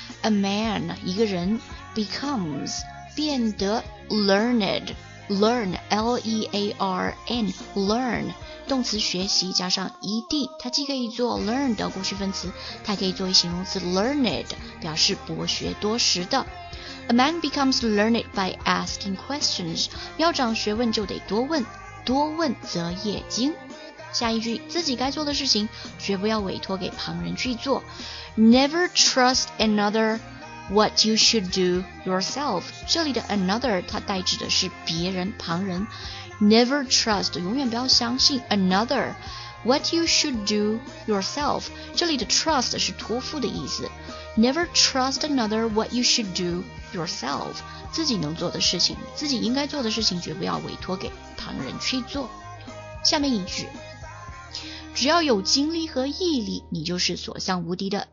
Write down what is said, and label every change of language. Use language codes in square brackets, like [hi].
[en] A man, [zh] 一个人 [en] becomes, [zh] 变得 learned, learn, L-E-A-R-N, learn, 动词学习加上 ed, 它既可以做 learn 的过去分词，它可以做形容词 learned, 表示博学多识的。 [en] A man becomes learned by asking questions. [zh] 要长学问就得多问，多问则业精。下一句，自己该做的事情绝不要委托给旁人去做。 [en] Never trust another what you should do yourself. [zh] 这里的 another 它代指的是别人，旁人。 [en] Never trust [zh] 永远不要相信 [en] another what you should do yourself. [zh] 这里的 trust 是托付的意思。 [en] Never trust another what you should do yourself. [zh] 自己能做的事情，自己应该做的事情，绝不要委托给旁人去做。下面一句，只要有精力和毅力，你就是所向无敌的。